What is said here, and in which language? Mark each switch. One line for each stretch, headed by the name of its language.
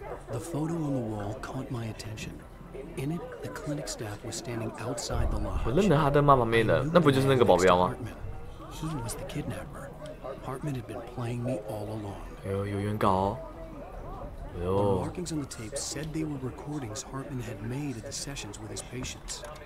English: The photo on the wall caught my attention. In it, the clinic staff was standing outside the lodge.
Chinese: 我认得哈登妈旁边的，那不就是那个保镖吗
English: ？He was the kidnapper. Hartman had been playing me all along.
Chinese: 有原稿、哦。哟。
English: The markings on the tape said they were recordings Hartman had made at the sessions with his patients.